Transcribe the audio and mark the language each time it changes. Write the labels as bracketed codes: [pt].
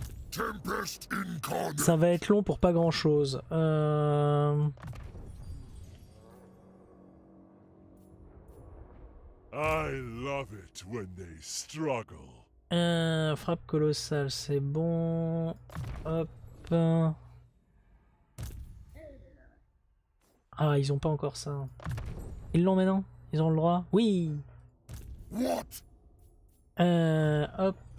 [fr] Tempest incarnate. Ça va être long pour pas grand chose. [en] I love it when they struggle. [fr] Frappe colossale, c'est bon. Hop. Ah, ils ont pas encore ça. Ils l'ont maintenant? Ils ont le droit? Oui. [en] What? Hop.